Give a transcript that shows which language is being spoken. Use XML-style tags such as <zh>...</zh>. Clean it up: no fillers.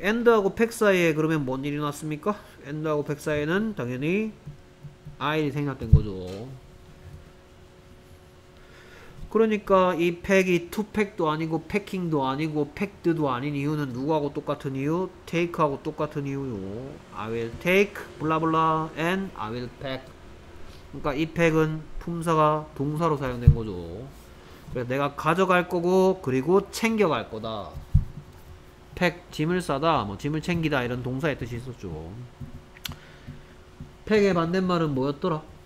<ko>and하고 pack 사이에 그러면 뭔 일이 났습니까? and하고 pack 사이에는 당연히 I 생략된 거죠. 그러니까 이 팩이 투팩도 아니고 패킹도 아니고 팩드도 아닌 이유는 누구하고 똑같은 이유? 테이크하고 똑같은 이유요.</ko> <en>I will take blah blah and I will pack.</en> <ko>그러니까 이 팩은 품사가 동사로 사용된 거죠. 그래서 내가 가져갈 거고 그리고 챙겨갈 거다. 팩 짐을 싸다, 뭐 짐을 챙기다 이런 동사의 뜻이 있었죠. 팩의 반대말은 뭐였더라?</ko>